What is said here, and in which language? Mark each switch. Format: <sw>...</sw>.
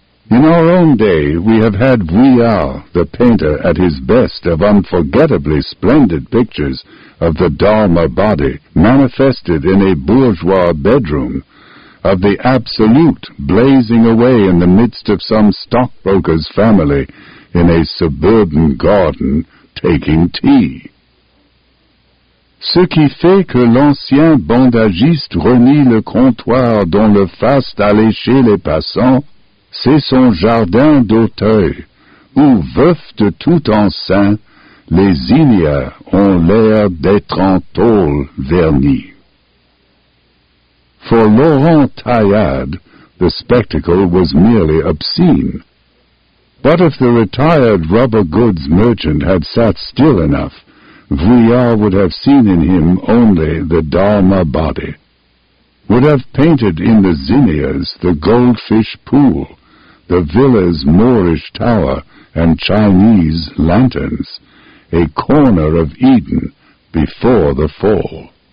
<en>In our own day, we have had Vuillard, the painter at his best of unforgettably splendid pictures of the Dharma body manifested in a bourgeois bedroom, of the absolute blazing away in the midst of some stockbroker's family in a suburban garden taking tea.</en> <fr>Ce qui fait que l'ancien bandagiste renie le comptoir dont le faste allait chez les passants, c'est son jardin d'Auteuil, où, veuf de tout enceint, les zinnias ont l'air d'être en tôle vernis.</fr> <en>For Laurent Taillade, the spectacle was merely obscene. But if the retired rubber goods merchant had sat still enough, Vuillard would have seen in him only the Dharma body, would have painted in the zinnias the goldfish pool, the villa's Moorish tower and Chinese lanterns, a corner of Eden before the fall.</en>